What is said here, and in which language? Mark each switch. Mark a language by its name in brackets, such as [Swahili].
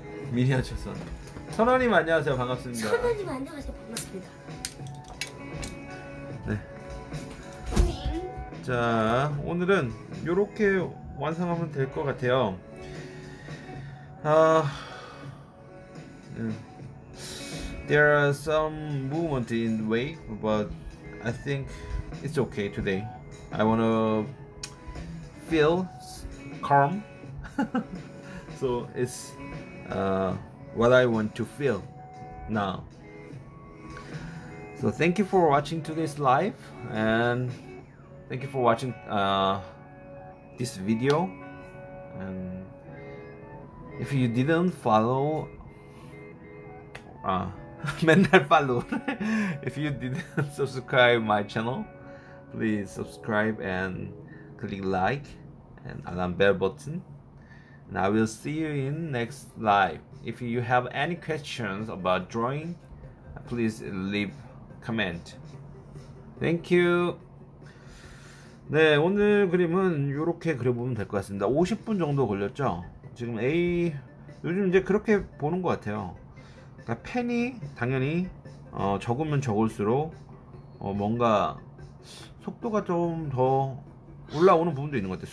[Korean] 미니어처 선. 선원님 안녕하세요. 반갑습니다. 선원님 안녕하세요. 반갑습니다. 네. 자, 오늘은 이렇게 완성하면 될 것 같아요. [English] 아, There are some movement in the way, but I think it's okay today. I want to feel calm, so it's what I want to feel now. So thank you for watching today's live, and thank you for watching this video. And if you didn't follow, mental follow, if you didn't subscribe my channel, please subscribe and click like and alarm bell button. And I will see you in next live. If you have any questions about drawing, please leave comment. Thank you. [Korean] 네, 오늘 그림은 이렇게 그려보면 될 것 같습니다. 50분 정도 걸렸죠? 지금 요즘 이제 그렇게 보는 것 같아요. 그러니까 펜이 당연히 적으면 적을수록 뭔가 속도가 좀 더 올라오는 부분도 있는 것 같아요.